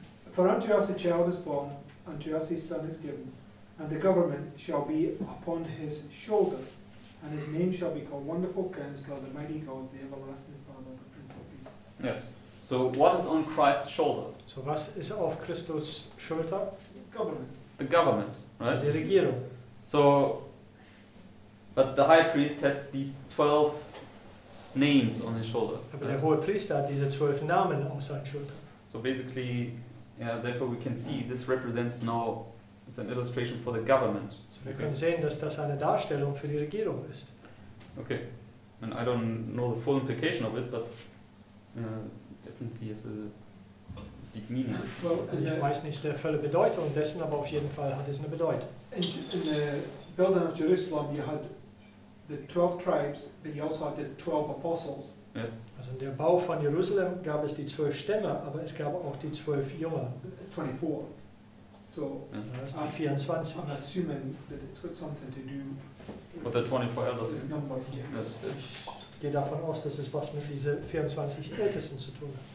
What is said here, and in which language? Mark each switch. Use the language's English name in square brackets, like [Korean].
[English] For unto us a child is born, unto us a son is given, and the government shall be upon his shoulder, and his name shall be called Wonderful Counselor, the Mighty God, the Everlasting Father, the Prince of Peace. Yes. So what is on Christ's shoulder? [German] So was ist auf Christus Schulter? [English] Government. The government, right? [German] Die Regierung. [English] So, but the high priest had these 12 names on his shoulder. [German] Aber der hohe Priester hat diese 12 Namen auf seinen Schultern. [English] So basically, yeah, therefore we can see this represents now, it's an illustration for the government. [German] So wir können sehen, dass das eine Darstellung für die Regierung ist. [English] Okay, and I don't know the full implication of it, but definitely has a deep meaning. [German] Well, ich weiß nicht der volle Bedeutung dessen, aber auf jeden Fall hat es eine Bedeutung. [English] In the building of Jerusalem, you had the 12 tribes, but you also had the 12 apostles. Yes. [German] Also in der Bau von Jerusalem gab es die 12 Stämme, aber es gab auch die 12 Jünger. [English] 24. So, yes. Also 24. I'm assuming that it's got something to do with the 24 elders. This number here. Yes. [German] Ich gehe davon aus, dass es was mit diesen 24 Ältesten zu tun hat.